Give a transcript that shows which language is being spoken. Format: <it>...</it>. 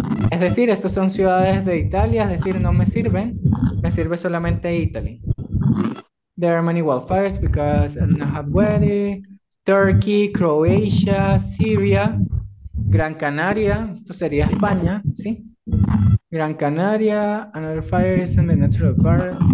<es>Es decir, estas son ciudades de Italia, es decir, no me sirven. Me sirve solamente Italy.</es> <en>There are many wildfires because of no hot weather.</en> <es>Turkey, Croacia, Siria, Gran Canaria, esto sería España, ¿sí?</es> <en>Gran Canaria, another fire is in the natural park.</en>